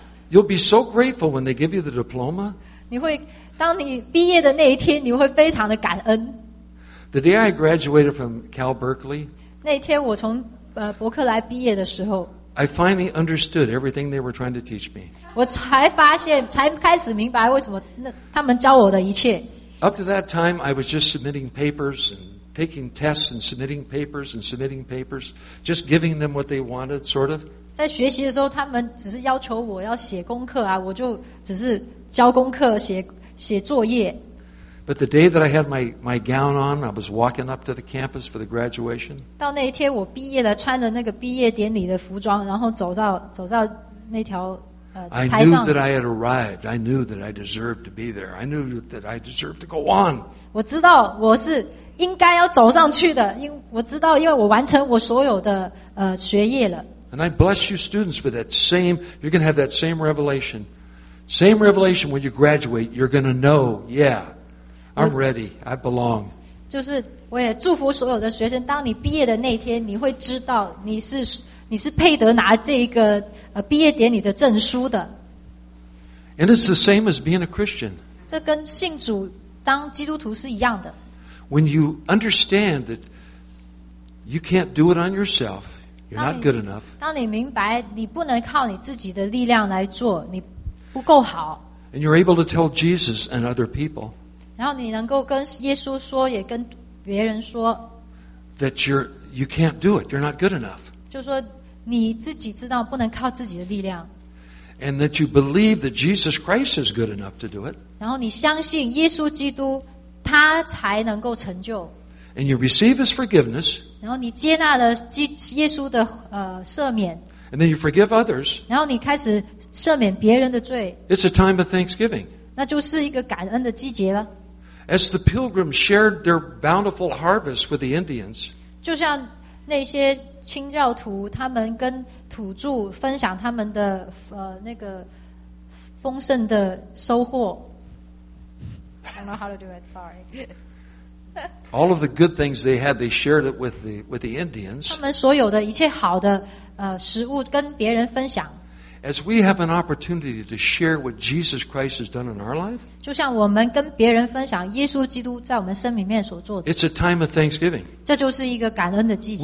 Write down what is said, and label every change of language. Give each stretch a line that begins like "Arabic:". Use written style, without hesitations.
English: You'll be so grateful when they give you the diploma.
Chinese: 你会当你毕业的那一天，你会非常的感恩。
English: The day I graduated from Cal Berkeley.
Chinese: 那天我从伯克莱毕业的时候。
English: I finally understood everything they were trying to teach me.
Chinese: 我才发现，才开始明白为什么他们教我的一切。
English: Up to that time, I was just submitting papers and. Taking tests and submitting papers, just giving them what they wanted, sort of.
Chinese: 在学习的时候，他们只是要求我要写功课啊，我就只是教功课，写作业。
English: But the day that I had my gown on, I was walking up to the campus for the graduation.
Chinese: 到那一天，我毕业了，穿着那个毕业典礼的服装，然后走到那条台上。
English: I knew that I had arrived. I knew that I deserved to be there. I knew that I deserved to go on.
Chinese: 我知道我是。应该要走上去的，因我知道，因为我完成我所有的学业了。
English: And I bless you, students, with that same. You're going to have that same revelation, same revelation when you graduate. You're going to know, yeah, I'm ready. I belong.
Chinese: 就是我也祝福所有的学生，当你毕业的那天，你会知道你是配得拿这个毕业典礼的证书的。
English: And it's the same as being a Christian.
Chinese: 这跟信主当基督徒是一样的。
English: When you understand that you can't do it on yourself, you're not good enough.
Chinese: 当你明白你不能靠你自己的力量来做，你不够好。
English: And you're able to tell Jesus and other people.
Chinese: 然后你能够跟耶稣说，也跟别人说。
English: That you can't do it. You're not good enough.
Chinese: 就说你自己知道不能靠自己的力量。
English: And that you believe that Jesus Christ is good enough to do it.
Chinese: 然后你相信耶稣基督。他才能够成就。
English: And you receive his forgiveness.
Chinese: 然后你接纳了耶稣的赦免。
English: And then you forgive others.
Chinese: 然后你开始赦免别人的罪。
English: It's a time of thanksgiving.
Chinese: 那就是一个感恩的季节了。
English: As the pilgrims shared their bountiful harvest with the Indians.
Chinese: 就像那些清教徒，他们跟土著分享他们的那个丰盛的收获。
English: I don't know how to do it, sorry. All of the good things they had, they shared it with the Indians.
Chinese: 他们所有的一切好的食物跟别人分享。
English: As we have an opportunity to share what Jesus Christ has done in our life,
Chinese: 就像我们跟别人分享耶稣基督在我们生命里面所做的。
English: It's a time of thanksgiving.
Chinese: 这就是一个感恩的季节。